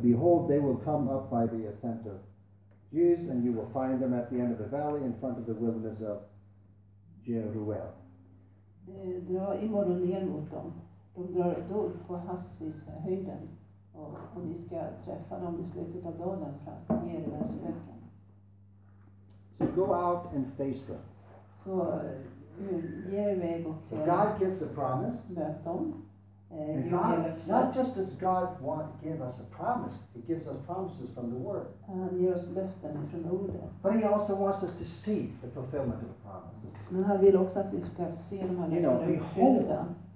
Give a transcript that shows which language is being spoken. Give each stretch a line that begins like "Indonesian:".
English: Behold, they will come up by the ascent of Jews, and you will find them at the end of the valley, in front of the wilderness of Jeruel.
Swedish: Dra imorgon ner mot dem. De drar dörr på Hassis höjden. Och ni ska träffa dem i slutet av dagen fram till Jeruels öken.
English: So go out and face them.
Swedish: Så ge er iväg och
English: God gives a promise.
Swedish: Möt dem.
English: Not just as God gave us a promise, He gives us promises from the Word.
Swedish: Han ger oss löften från ordet.
English: But He also wants us to see the fulfillment of the promise.
Swedish: Men han vill också att vi ska se de här löften uppfyllda.